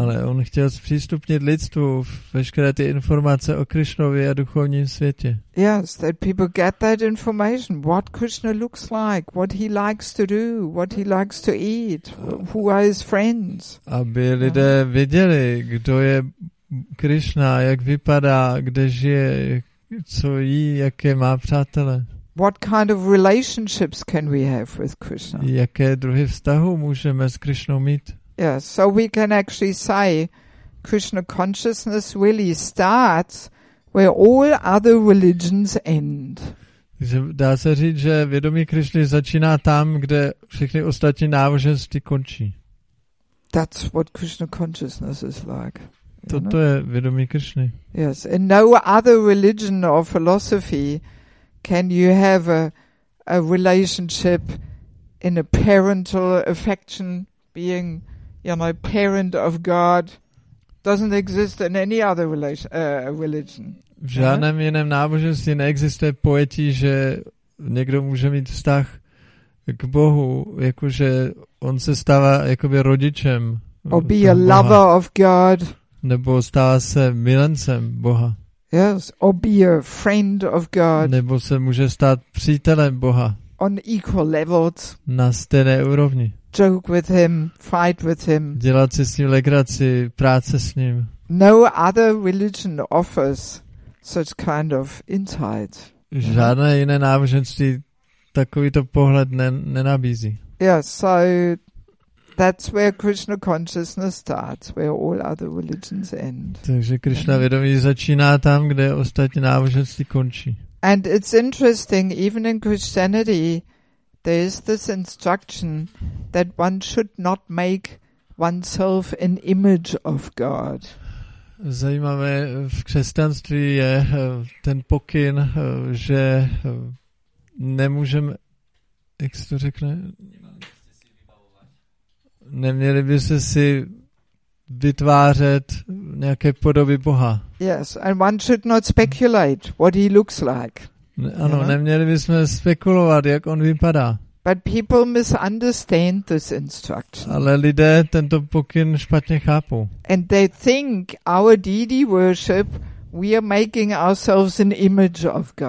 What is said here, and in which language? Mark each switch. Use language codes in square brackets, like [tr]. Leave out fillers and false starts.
[cs] Ale on chtěl zpřístupnit lidstvu veškeré ty informace o Krishnovi a duchovním světě. [en] Yes, that people get that information, what Krishna looks like, what he likes to do, what he likes to eat, who are his friends. [cs] Aby lidé věděli, kdo je Krishna, jak vypadá, kde žije, co jí, jaké má přátelé. [en] What kind of relationships can we have with Krishna? [cs] Jaké druhy vztahu můžeme s Krishnou mít? [en] Yeah, so we can actually say Krishna consciousness really starts where all other religions end. [cs] Dá se říct, že vědomí Krishny začíná tam, kde všechny ostatní náboženství končí. [en] That's what Krishna consciousness is like. [cs] Toto je vědomí Krishny. [en] Yes, in no other religion or philosophy can you have a relationship in a parental affection, being, you know, parent of God, doesn't exist in any other religion. [cs] V žádném jiném náboženství neexistuje pojetí, že někdo může mít vztah k Bohu, jakože on se stává jakoby rodičem. [en] Or be a lover of God. [cs] Nebo stává se milencem Boha. [en] Yes, or be a friend of God. [cs] Nebo se může stát přítelem Boha. [en] On equal levels. [cs] Na stejné úrovni. [en] Joke with him, fight with him. [cs] Dělat si s ním legraci, práce s ním. [en] No other religion offers such kind of insight. [cs] Žádné jiné náboženství takovýto pohled nenabízí. [en] Yes, so that's where Krishna consciousness starts, where all other religions end. [cs] Takže Krishna vědomí začíná tam, kde ostatní náboženství končí. [en] And it's interesting, even in Christianity, there is this instruction that one should not make oneself an image of God. [cs] Zajímavé v křesťanství je ten pokyn, že nemůžeme, jak se to řekne, neměli by se si vytvářet nějaké podoby Boha. [en] Yes, and one should not speculate what he looks like. [cs] Ano, neměli bychom spekulovat, jak on vypadá. [en] But people misunderstand this instruction. [cs] Ale lidé tento pokyn špatně chápou. [en] And they think our deity worship, we are making ourselves an image of God.